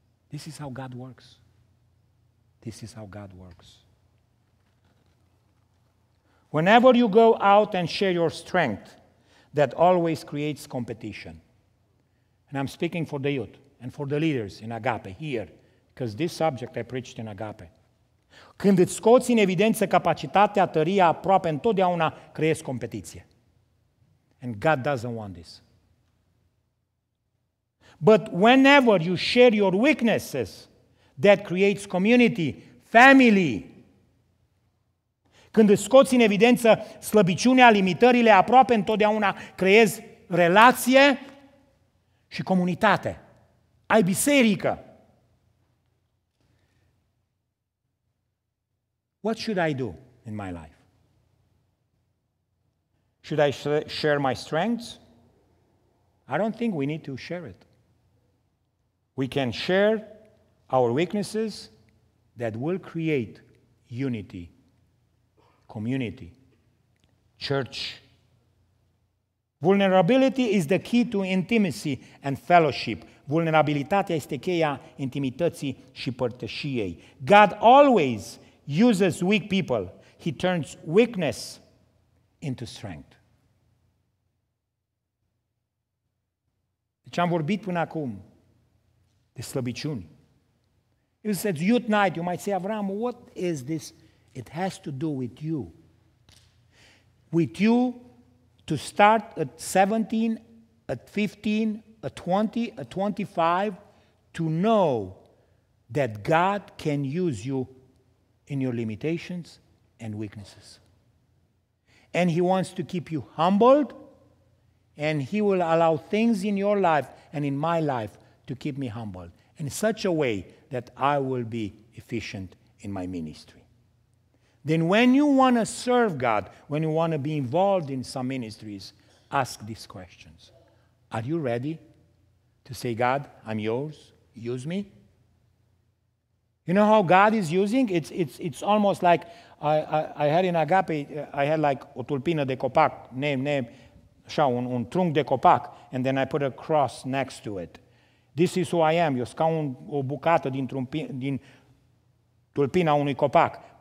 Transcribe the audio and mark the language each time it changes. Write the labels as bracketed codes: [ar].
[en] This is how God works. This is how God works. Whenever you go out and share your strength, that always creates competition. And I'm speaking for the youth and for the leaders in Agape here, because this subject I preached in Agape. [ro] Când îți scoți în evidență capacitatea, tăria, aproape întotdeauna creezi competiție. [en] And God doesn't want this. But whenever you share your weaknesses, that creates community, family. [ro] Când îți scoți în evidență slăbiciunea, limitările, aproape întotdeauna creezi relație și comunitate. Ai biserică. [en] What should I do in my life? Should I share my strengths? I don't think we need to share it. We can share our weaknesses that will create unity, community, church. Vulnerability is the key to intimacy and fellowship. [ro] Vulnerabilitatea este cheia intimității și părtășiei. [en] God always uses weak people. He turns weakness into strength. [ro] Deci am vorbit până acum de slăbiciuni. [en] You said youth night, you might say, Avram, what is this? It has to do with you. With you to start at 17, at 15, at 20, at 25, to know that God can use you in your limitations and weaknesses. And He wants to keep you humbled, and He will allow things in your life and in my life to keep me humbled in such a way that I will be efficient in my ministry. Then when you want to serve God, when you want to be involved in some ministries, ask these questions. Are you ready to say, God, I'm yours, use me? You know how God is using? It's almost like I had in Agape, I had like [ro] o tulpină de copac, [en] așa, un trunc de copac, and then I put a cross next to it. This is who I am. [ro] Eu sunt ca o bucată din tulpina unui copac.